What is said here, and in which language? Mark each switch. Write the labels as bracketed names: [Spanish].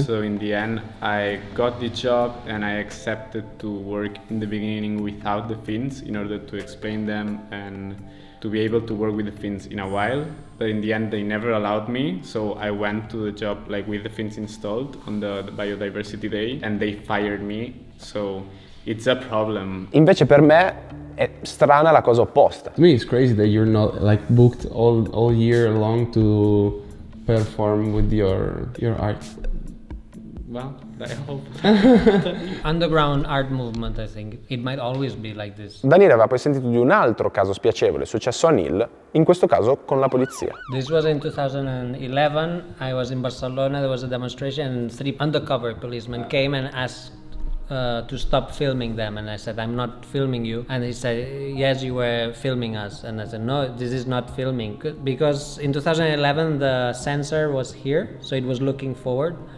[English] So in the end, I got the job and I accepted to work in the beginning without the Finns in order to explain them and to be able to work with the Finns in a while. But in the end, they never allowed me. So I went to the job like with the Finns installed on the biodiversity day and they fired me. So it's a problem. [Italian] Invece per me è strana la cosa opposta. [English] To me it's crazy that you're not like booked all year long to perform with your art. Well, I hope. Underground art movement, I think. It might always be like this. [Italian] Daniele aveva poi sentito di un altro caso spiacevole successo a Neil, in questo caso con la polizia. [English] This was in 2011. I was in Barcelona, there was a demonstration, and three undercover policemen came and asked to stop filming them. And I said, I'm not filming you. And he said, yes, you were filming us. And I said, no, this is not filming. Because in 2011, the sensor was here, so it was looking forward.